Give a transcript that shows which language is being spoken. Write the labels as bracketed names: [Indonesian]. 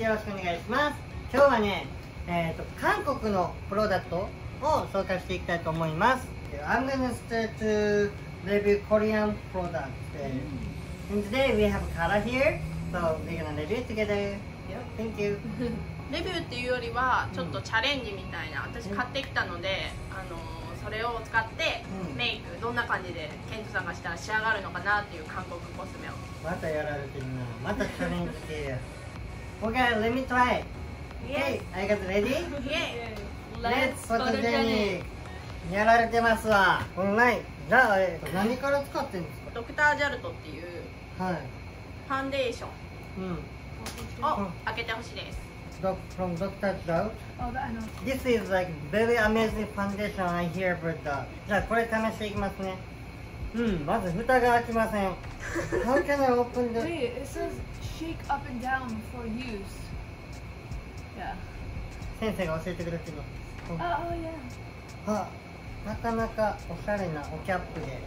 [Japanese] よろしくお願いします。今日はね、韓国のプロダクトを紹介していきたいと思います。 [English] I'm gonna start to review Korean products. And today we have Kara here, so we're gonna review together. Yep, thank you. [Japanese] レビューっていうよりはちょっとチャレンジみたいな、私買ってきたので、それを使ってメイク、どんな感じでケントさんがしたら仕上がるのかなっていう韓国コスメを。またやられてるな、またチャレンジしてやる。 [English] OK, let me try! Yes! Okay, I got ready? Yeah! Let's put the technique! [Japanese] やられてますわ、オンライン。じゃあ、何から使ってんですか？ドクタージャルトっていう、はい、ファンデーション、うん、を開けてほしいです。 [English] From Dr. Zhao. Oh, this is like very amazing foundation I hear about that. [Japanese] じゃあこれ試していきますね。うん、まず蓋が開きません。 [English] How can I open the... Wait, it says shake up and down for use. Yeah. [Japanese] 先生が教えてくれてる。 [English] Oh, yeah. [Japanese] なかなかおしゃれなおキャップで。